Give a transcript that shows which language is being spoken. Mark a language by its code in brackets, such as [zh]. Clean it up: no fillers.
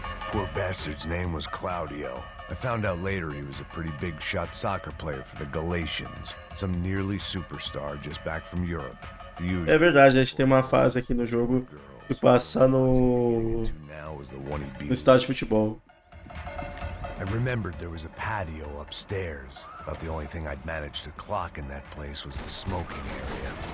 [en] Poor bastard's name was Claudio. I found out later he was a pretty big shot soccer player for the Galatians. Some nearly superstar just back from Europe. [pt] É verdade, a gente tem uma fase aqui no jogo que passa no estádio de futebol. [en] I remembered there was a patio upstairs, but the only thing I'd managed to clock in that place was the smoking area.